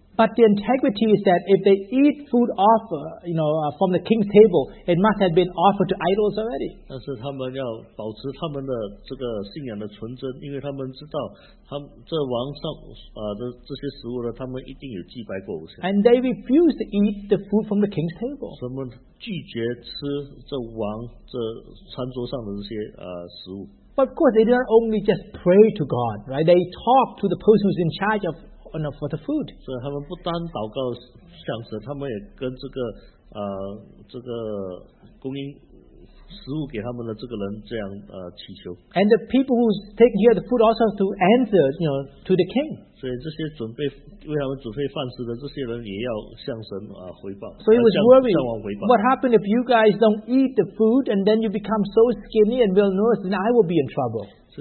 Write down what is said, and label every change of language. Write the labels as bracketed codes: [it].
[en] But the integrity is that if they eat food offered, you know, from the king's table, it must have been offered to idols already. [zh] 但是他们要保持他们的这个信仰的纯真，因为他们知道他们这王上的这些食物呢，他们一定有祭拜过偶像。 [en] And they refuse to eat the food from the king's table. [zh] 他们拒绝吃这王这餐桌上的这些食物。 [en] But of course, they don't only just pray to God, right? They talk to the person who's in charge of. Oh, no, for the food. [zh] 所以他们不单祷告向神，他们也跟这个供应食物给他们的这个人这样祈求。 [en] And the people who take care of the food also have to answer, you know, to the king. [zh] 所以这些准备为他们准备饭食的这些人也要向神回报。 [en] So it was worrying. What happened if you guys don't eat the food and then you become so skinny and malnourished, then I will be in trouble.